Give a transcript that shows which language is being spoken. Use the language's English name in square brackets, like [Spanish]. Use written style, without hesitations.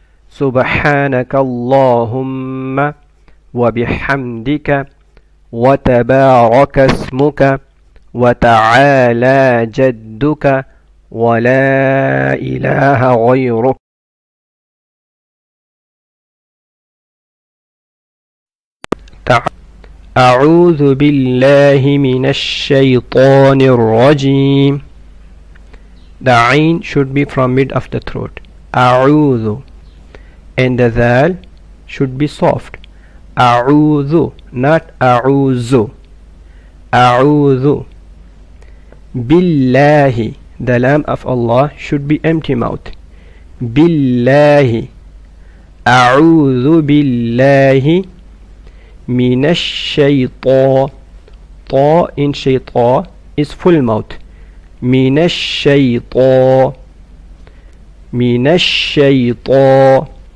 [Arabic] سبحانك اللهم وبحمدك وتبارك اسمك وتعالى جدك ولا إله غيرك. أعوذ بالله من الشيطان الرجيم. [English] The عين should be from mid of the throat. أعوذ. And the ذال should be soft. [Arabic] أعوذ، not أعوذ. أعوذ بالله. [English] The lamb of Allah should be empty mouth. [Arabic] بالله. أعوذ بالله من الشيطان. طاء in شيطان [English] is full mouth. [Arabic] من الشيطان، من الشيطان.